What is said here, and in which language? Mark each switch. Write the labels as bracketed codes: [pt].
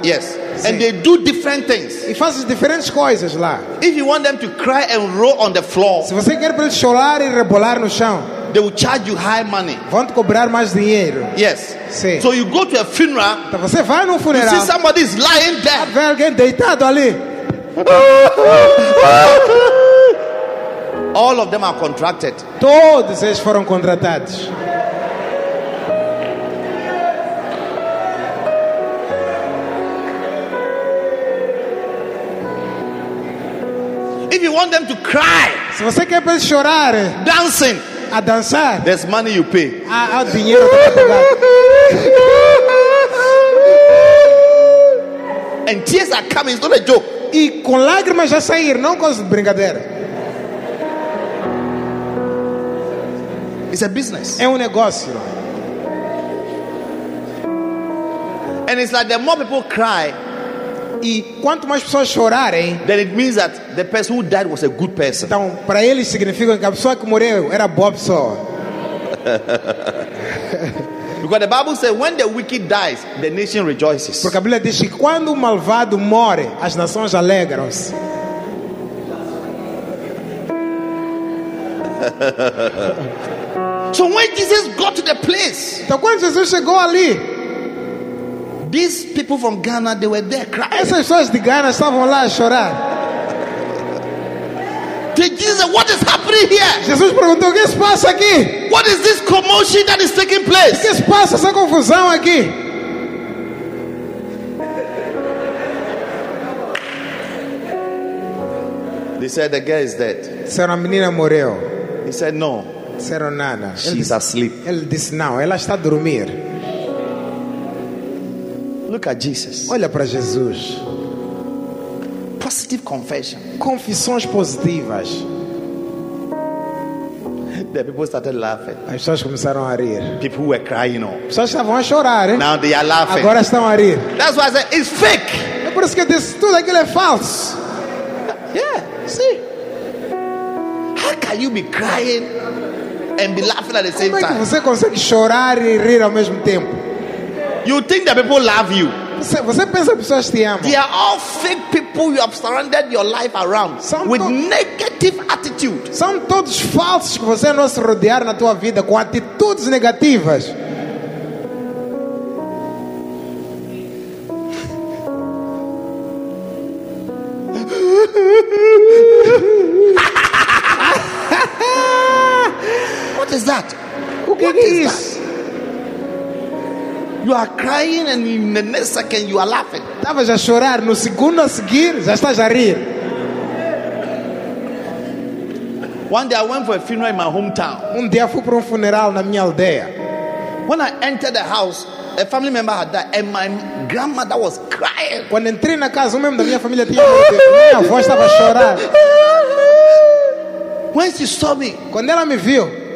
[en] Yes. [pt] Sim. [en] And they do different things. [pt] E fazem diferentes coisas lá. [en] If you want them to cry and roll on the floor. [pt] Se você quer para eles chorar e rebolar no chão. [en] They will charge you high money. [pt] Vão te cobrar mais dinheiro. [en] Yes. [pt] Sim. [en] So you go to a funeral. [pt] Então você vai num funeral. [en] You see somebody is lying there. [pt] Vê alguém deitado ali. [en] All of them are contracted. [pt] Todos eles foram contratados. [en] If you want them to cry, [pt] se você quer para eles chorar, [en] dancing, [pt] a dançar, [en] there's money you pay. [pt] Há dinheiro para pagar. [en] And tears are coming, it's not a joke. [pt] E com lágrimas a sair, não coisa de brincadeira. [en] It's a business. [pt] É negócio. [en] And it's like the more people cry, [pt] e quanto mais pessoas chorarem, [en] then it means that the person who died was a good person. [pt] Então, para eles significa que a pessoa que morreu era boa pessoa. [en] Because the Bible says when the wicked dies, the nation rejoices. [pt] Porque a Bíblia diz que quando o malvado morre, as nações alegram-se. [en] So when Jesus got to the place, [pt] então quando Jesus chegou ali, [en] these people from Ghana, they were there crying. [pt] Essas pessoas de Ghana estavam lá a chorar. [en] to Jesus, what is happening here? [pt] Jesus perguntou, o que se passa aqui? [en] What is this commotion that is taking place? [pt] O que se passa essa confusão aqui? [en] They said the girl is dead. [pt] Disseram, a menina morreu. [en] He said no. [pt] Disseram, nada. [en] She's asleep. [pt] Ele disse não, ela está a dormir. [en] Look at Jesus. [pt] Olha para Jesus. [en] Positive confession. [pt] Confissões positivas. [en] The people started laughing. [pt] As pessoas começaram a rir. [en] People were crying. As [pt] pessoas estavam a chorar. [en] Now they are laughing. [pt] Agora estão a rir. [en] That's why I said it's fake. [pt] É por isso que eu disse tudo aquilo é falso. [en] Yeah, see. How can you be crying and be laughing at the same time? [pt] Como é que você consegue chorar e rir ao mesmo tempo? [en] You think that people love you. [pt] Você pensa que pessoas te amam. [en] They are all fake people you have surrounded your life around with negative attitude. [pt] São todos falsos que você nos rodear na tua vida com atitudes negativas. [en] What is that? [pt] O que [en] what [pt] é isso? [en] That? You are crying and in the next second you are laughing. [pt] Estava já a chorar, no segundo a seguir já estás a rir. [en] One day I went for a funeral in my hometown. [pt] Um dia fui para funeral na minha aldeia. [en] When I entered the house, a family member had died and my grandmother was crying. [pt] Quando entrei na casa, um membro da minha família tinha morrido. Minha avó estava a chorar. [en] When she saw me, [pt] quando ela me viu,